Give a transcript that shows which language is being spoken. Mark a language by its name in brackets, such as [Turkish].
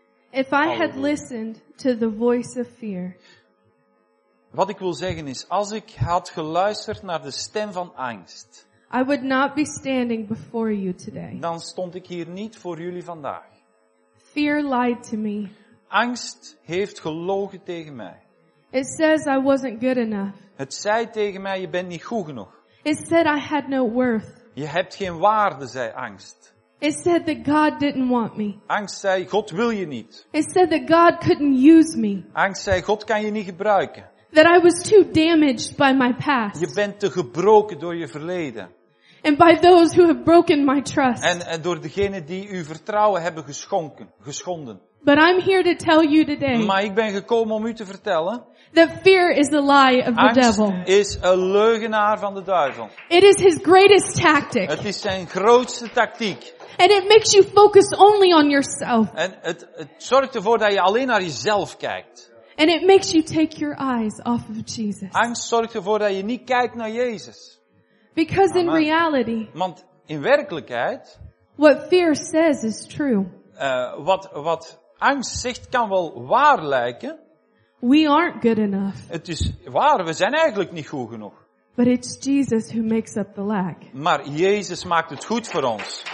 [English] If I had listened to the voice of fear. [Dutch] Wat ik wil zeggen is, als ik had geluisterd naar de stem van angst, [English] I would not be standing before you today. [Dutch] Dan stond ik hier niet voor jullie vandaag. [English] Fear lied to me. [Dutch] Angst heeft gelogen tegen mij. [English] It says I wasn't good enough. [Dutch] Het zei tegen mij, je bent niet goed genoeg. [English] It said I had no worth. [Dutch] Je hebt geen waarde, zei angst. [English] It said that God didn't want me. [Dutch] Angst zei, God wil je niet. [English] It said that God couldn't use me. [Dutch] Angst zei, God kan je niet gebruiken. [English] That I was too damaged by my past. [Dutch] Je bent te gebroken door je verleden. [English] And by those who have broken my trust. [Dutch] En door degenen die uw vertrouwen hebben geschonden. [English] But I'm here to tell you today. [Dutch] Maar ik ben gekomen om u te vertellen. [English] That fear is the lie of the devil. [Dutch] Angst is een leugenaar van de duivel. [English] It is his greatest tactic. [Dutch] Het is zijn grootste tactiek. [English] And it makes you focus only on yourself. [Dutch] En het zorgt ervoor dat je alleen naar jezelf kijkt. [English] And it makes you take your eyes off of Jesus. [Dutch] Angst zorgt ervoor dat je niet kijkt naar Jezus. [English] Because in reality, [Dutch] want in werkelijkheid, [English] what fear says is true. [Dutch] Wat angst zegt kan wel waar lijken. [English] We aren't good enough. [Dutch] Het is waar, we zijn eigenlijk niet goed genoeg. [English] But it's Jesus who makes up the lack. [Dutch] Maar Jezus maakt het goed voor ons.